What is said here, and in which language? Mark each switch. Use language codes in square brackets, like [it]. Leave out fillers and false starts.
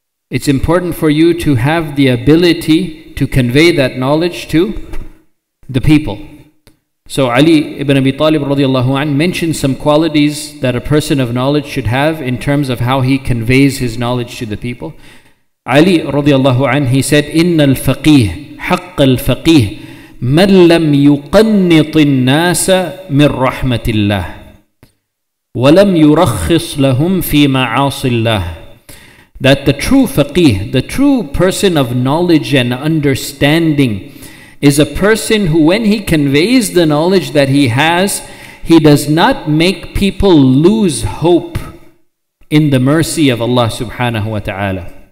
[en] It's important for you to have the ability to convey that knowledge to the people. So Ali ibn Abi Talib radiallahu anhu mentioned some qualities that a person of knowledge should have in terms of how he conveys his knowledge to the people. Ali radiallahu anhu, he said, [ar] إِنَّ الْفَقِيهِ حَقَّ الْفَقِيهِ مَنْ لَمْ يُقَنِّطِ النَّاسَ مِنْ رَحْمَةِ اللَّهِ وَلَمْ يُرَخِّصْ لَهُمْ فِي مَعَاصِ اللَّهِ. [en] That the true faqih, the true person of knowledge and understanding, is a person who, when he conveys the knowledge that he has, he does not make people lose hope in the mercy of Allah subhanahu wa ta'ala.